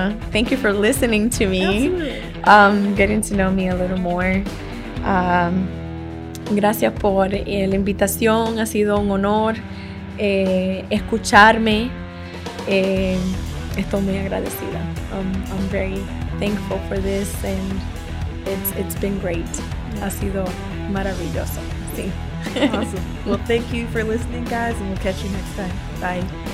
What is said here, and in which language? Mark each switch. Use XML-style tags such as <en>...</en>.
<en>Thank you for listening to me. Getting to know me a little more.</en> <es>Gracias por la invitación. Ha sido un honor escucharme. Estoy muy agradecida.</es> <en>I'm very thankful for this, and it's been great.</en> <es>Ha sido maravilloso. Sí.</es> <en>Awesome. Well, thank you for listening, guys, and we'll catch you next time. Bye.</en>